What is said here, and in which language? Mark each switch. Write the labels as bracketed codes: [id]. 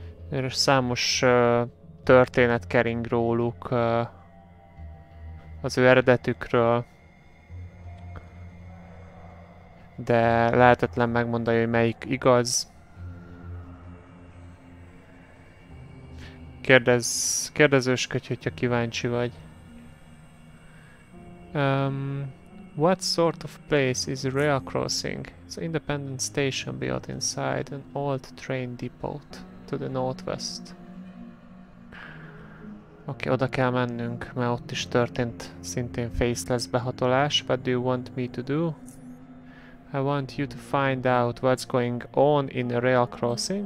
[hu] És számos történet kering róluk, az ő eredetükről, de lehetetlen megmondani, hogy melyik igaz. Kérdezősködj, hogyha kíváncsi vagy. [en] What sort of place is rail crossing? It's an independent station built inside an old train depot. To the northwest. [hu] Oké, oda kell mennünk, mert ott is történt szintén Faceless behatolás. [en] What do you want me to do? I want you to find out what's going on in a rail crossing.